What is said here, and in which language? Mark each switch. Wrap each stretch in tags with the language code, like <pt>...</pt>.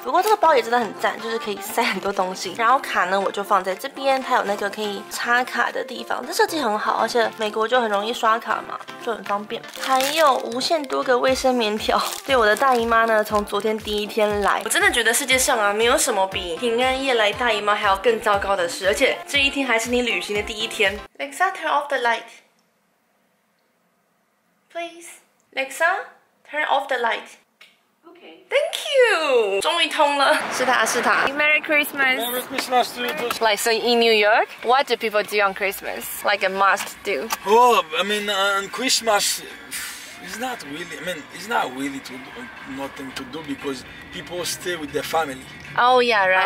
<zh>不过这个包也真的很赞，就是可以塞很多东西。然后卡呢，我就放在这边，它有那个可以插卡的地方，这设计很好，而且美国就很容易刷卡嘛，就很方便。还有无限多个卫生棉条，对我的大姨妈呢，从昨天第一天来，我真的觉得世界上啊没有什么比平安夜来大姨妈还要更糟糕的事，而且这一天还是你旅行的第一天。</zh> <en>Lexa turn off the light please. Lexa turn off the light. Thank you，</en> <zh>终于通了，是他是他。</zh> <en>Merry Christmas。 Merry Christmas to you too. Like so in New York, what do people do on Christmas? Like a must do? Oh, I mean, on Christmas, it's not really. I mean, it's not really to do, nothing to do because people stay with their family. Oh yeah, right.</en>